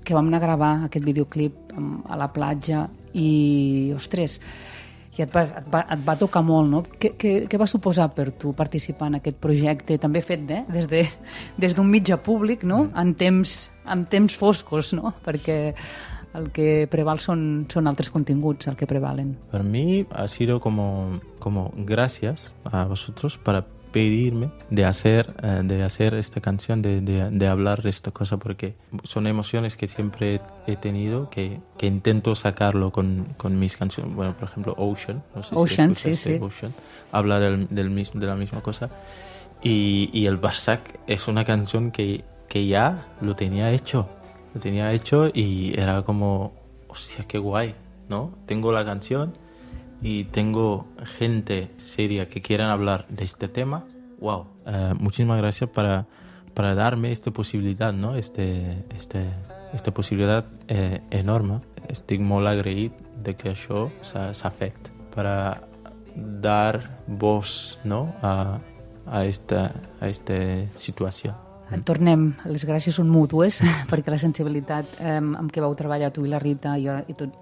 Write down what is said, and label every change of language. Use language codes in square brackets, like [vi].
[ca] Que vam anar a gravar aquest videoclip a la platja i, ostres, i et va tocar molt, no? Què va suposar per tu participar en aquest projecte, també fet des d'un mitjà públic, no? Mm-hmm. En temps foscos, no? Perquè el que preval són altres continguts, el que prevalen. Per mi [es] ha sido como gracias a vosotros para pedirme de hacer esta canción, de hablar de esta cosa, porque son emociones que siempre he tenido, que intento sacarlo con mis canciones. Bueno, por ejemplo, Ocean. No sé Ocean, si sí. Ocean, habla de la misma cosa. Y el Barsac es una canción que ya lo tenía hecho. Lo tenía hecho y era como, hostia, qué guay, ¿no? Tengo la canción y tengo gente seria que quieran hablar de este tema. ¡Wow! Muchísimas gracias para darme esta posibilidad, ¿no? Esta posibilidad enorme. [ca] Estic molt agraït de que això s'afect [es] para dar voz, ¿no? A esta situación. [ca] Et tornem. Les gràcies són mútues, perquè la sensibilitat amb què vau treballar tu i la Rita i tot,